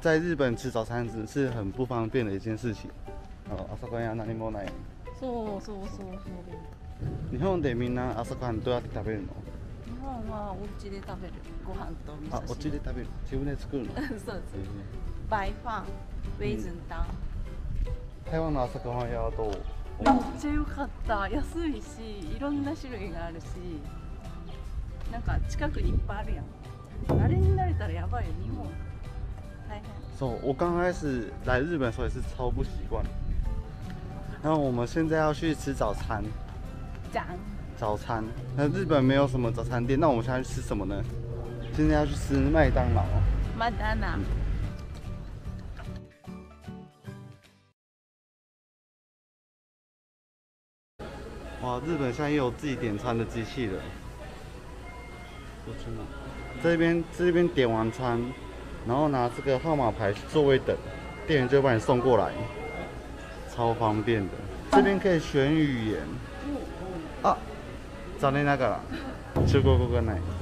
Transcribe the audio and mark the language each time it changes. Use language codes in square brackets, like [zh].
[zh] 在日本吃早餐只是很不方便的一件事情。 [ja] 哦，朝ごはん何もない。そうそうそうそう。日本でみんな朝ごはんどうやって食べるの？日本はお家で食べる。ご飯と味噌汁。あ、お家で食べる。自分で作るの。そうです。白飯、レーズン汤。台湾の朝ごはんはどう？めっちゃ良かった。安いし、いろんな種類があるし、なんか近くにいっぱいあるやん。慣れに慣れたらやばいよ、日本。大変。 [zh] そう、我刚开始来日本的时候也是超不习惯。那我们现在要去吃早餐。早餐。那日本没有什么早餐店，那我们现在去吃什么呢？现在要去吃麦当劳。麦当劳。哇，日本现在也有自己点餐的机器了。我真的。这边点完餐，然后拿这个号码牌座位等，店员就把你送过来。超方便的，这边可以选语言。 [ja] 啊，残念ながら、中国語がない。